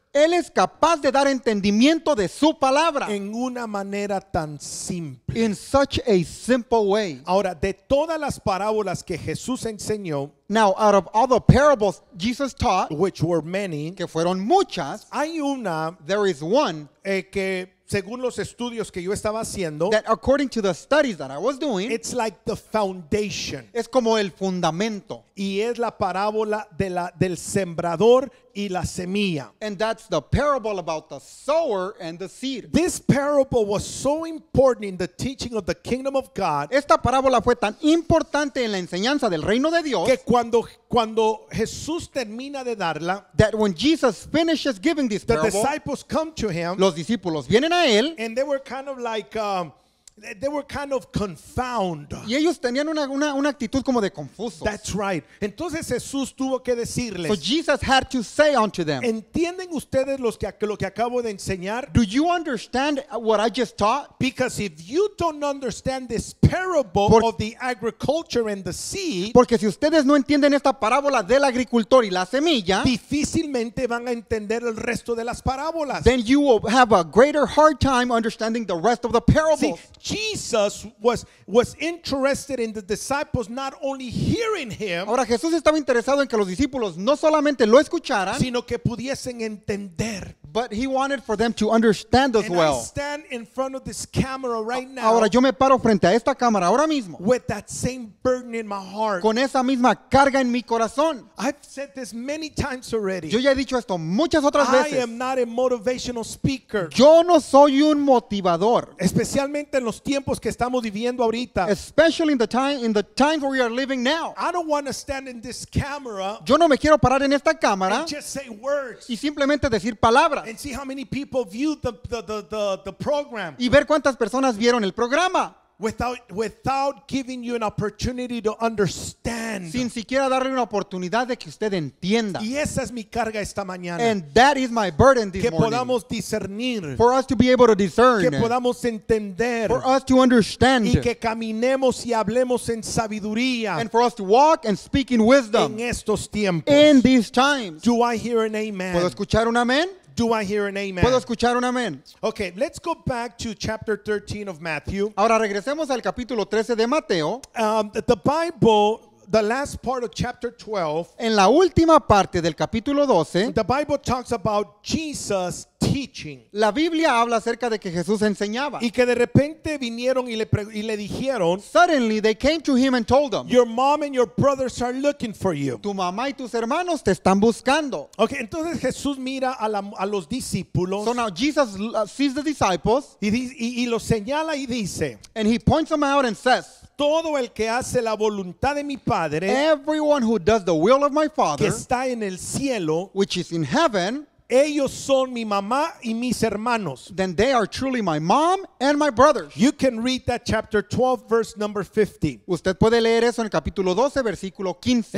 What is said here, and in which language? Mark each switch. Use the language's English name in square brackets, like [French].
[Spanish] Él es capaz de dar entendimiento de su palabra. En una manera tan simple. [English] In such a simple way. [Spanish] Ahora, de todas las parábolas que Jesús enseñó. [English] Now, out of all the parables Jesus taught. Which were many. [Spanish] Que fueron muchas. Hay una. [English] There is one. [Spanish] Que según los estudios que yo estaba haciendo. [English] That according to the studies that I was doing. It's like the foundation. [Spanish] Es como el fundamento. Y es la parábola del sembrador y la semilla. [English] And that's the parable about the sower and the seed. This parable was so important in the teaching of the kingdom of God. [Spanish] Esta parábola fue tan importante en la enseñanza del reino de Dios. Que cuando Jesús termina de darla. [English] That when Jesus finishes giving this parable. The disciples come to him. [Spanish] Los discípulos vienen a él. [English] And they were kind of like... They were kind of confound. [Spanish] Y ellos tenían una actitud como de confusos. [English] That's right. [Spanish] Entonces Jesús tuvo que decirles. [English] So Jesus had to say unto them. [Spanish] ¿Entienden ustedes lo que acabo de enseñar? [English] Do you understand what I just taught? Because if you don't understand this parable of the agriculture and the seed. [Spanish] Porque si ustedes no entienden esta parábola del agricultor y la semilla. Difícilmente van a entender el resto de las parábolas. [English] Then you will have a greater hard time understanding the rest of the parables. See, Jesus was interested in the disciples not only hearing him. [Spanish] Ahora Jesús estaba interesado en que los discípulos no solamente lo escucharan, sino que pudiesen entender. [English] But he wanted for them to understand as and well. And I stand in front of this camera right now. [Spanish] Ahora yo me paro frente a esta cámara ahora mismo. [English] With that same burden in my heart. [Spanish] Con esa misma carga en mi corazón. [English] I've said this many times already. [Spanish] Yo ya he dicho esto muchas otras veces. [English] I am not a motivational speaker. [Spanish] Yo no soy un motivador. Especialmente en los tiempos que estamos viviendo ahorita. [English] Especially in the times where we are living now. I don't want to stand in this camera. [Spanish] Yo no me quiero parar en esta cámara. [English] And just say words. [Spanish] Y simplemente decir palabras. [English] And see how many people viewed the program. [Spanish] Y ver cuántas personas vieron el programa. [English] Without giving you an opportunity to understand. [Spanish] Sin siquiera darle una oportunidad de que usted entienda. Y esa es mi carga esta mañana. [English] And that is my burden this morning. [Spanish] Que podamos discernir. [English] For us to be able to discern. [Spanish] Que podamos entender. [English] For us to understand. [Spanish] Y que caminemos y hablemos en sabiduría. [English] And for us to walk and speak in wisdom. [Spanish] En estos tiempos. [English] In these times. Do I hear an amen? [Spanish] ¿Puedo escuchar un amén? [English] Do I hear an amen? [Spanish] ¿Puedo escuchar un amén? [English] Okay, let's go back to chapter 13 of Matthew. [Spanish] Ahora regresemos al capítulo 13 de Mateo. [English] The Bible, the last part of chapter 12. [Spanish] En la última parte del capítulo 12. [English] The Bible talks about Jesus teaching. [Spanish] La Biblia habla acerca de que Jesús enseñaba. Y que de repente vinieron y le dijeron. [English] Suddenly they came to him and told him. Your mom and your brothers are looking for you. [Spanish] Tu mamá y tus hermanos te están buscando. Okay, entonces Jesús mira a los discípulos. [English] So now Jesus sees the disciples. [Spanish] Y los señala y dice. [English] And he points them out and says. [Spanish] Todo el que hace la voluntad de mi padre. [English] Everyone who does the will of my father. [Spanish] Que está en el cielo. [English] Which is in heaven. [Spanish] Ellos son mi mamá y mis hermanos. [English] Then they are truly my mom and my brothers. You can read that chapter 12, verse number 15. [Spanish] Usted puede leer eso en el capítulo 12, versículo 15.